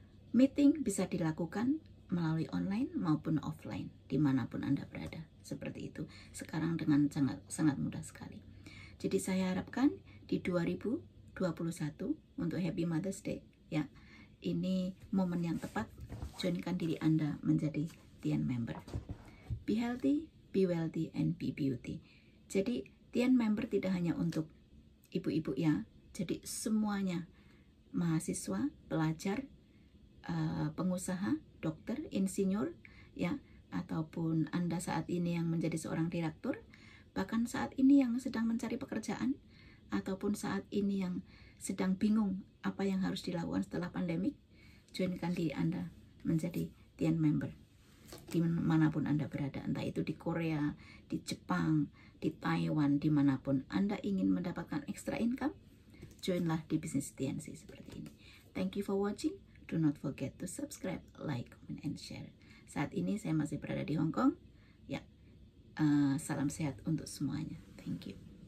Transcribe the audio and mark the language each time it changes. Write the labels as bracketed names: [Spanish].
[Indonesian] Meeting bisa dilakukan melalui online maupun offline dimanapun Anda berada seperti itu. Sekarang dengan sangat sangat mudah sekali. Jadi saya harapkan di 2000 21 untuk Happy Mother's Day. Ya, ini momen yang tepat. Joinkan diri Anda menjadi Tian member. [English] Be healthy, be wealthy, and be beauty. [Indonesian] Jadi Tian member tidak hanya untuk ibu-ibu ya. Jadi semuanya, mahasiswa, pelajar, pengusaha, dokter, insinyur, ya, ataupun Anda saat ini yang menjadi seorang direktur, bahkan saat ini yang sedang mencari pekerjaan, ataupun saat ini yang sedang bingung apa yang harus dilakukan setelah pandemik, joinkan diri Anda menjadi Tian member. Dimanapun Anda berada, entah itu di Korea, di Jepang, di Taiwan, dimanapun Anda ingin mendapatkan extra income, joinlah di bisnis TNC seperti ini. [English] Thank you for watching. Do not forget to subscribe, like, comment, and share. [Indonesian] Saat ini saya masih berada di Hong Kong. Ya, salam sehat untuk semuanya. [English] Thank you.